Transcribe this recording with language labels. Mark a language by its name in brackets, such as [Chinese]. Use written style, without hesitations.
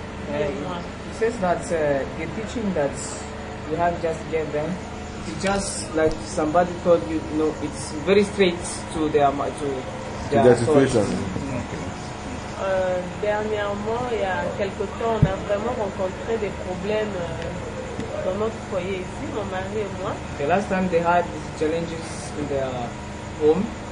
[English] He says that the teaching that you have just given, it's just like somebody told you, you know, it's very straight to their situation. [French] Dernièrement, il y a quelques temps, on a vraiment rencontré des problèmes dans notre foyer ici, mon mari et moi. [English] The last time they had challenges in their home.